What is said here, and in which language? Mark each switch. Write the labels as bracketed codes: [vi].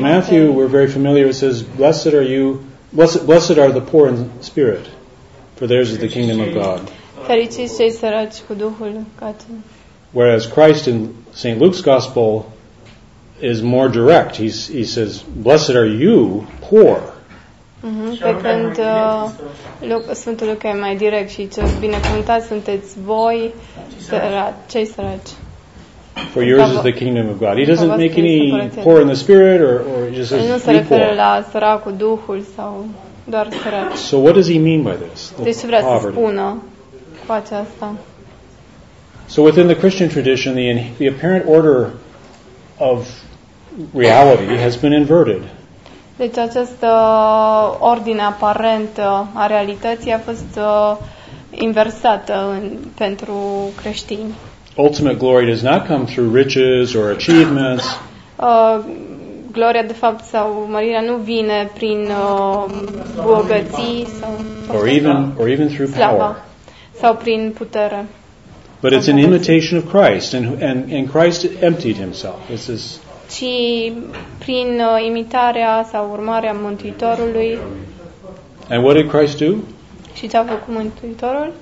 [en] Matthew we're very familiar, it says, blessed are the poor in spirit. For theirs is the kingdom of God. [ro] Fericiți cei săraci cu Duhul, căci. [en] Whereas Christ in St. Luke's Gospel is more direct. He says, blessed are you, poor. [ro] Pe când Sfântul Luca e mai direct și zice, binecuvântați sunteți voi, cei săraci. [en] For yours is the kingdom of God. He doesn't make any poor in the spirit or he just says, [ro] nu se referă la sărac cu Duhul sau... Doar sărac. [en] So what does he mean by this? [ro] Deci vrea să spună cu aceasta. [en] So within the Christian tradition, the apparent order of reality has been inverted. [ro] Deci această ordine aparentă a realității a fost inversată pentru creștini. [en] Ultimate glory does not come through riches or achievements. [ro] Gloria de fapt sau mărirea nu vine prin bogății sau [en] or even through power. [ro] Sau prin putere. [en] But it's an imitation of Christ and Christ emptied himself. This is [ro] ci prin imitarea sau urmarea Mântuitorului. [en] And what did Christ do? [ro] Și ce a făcut Mântuitorul?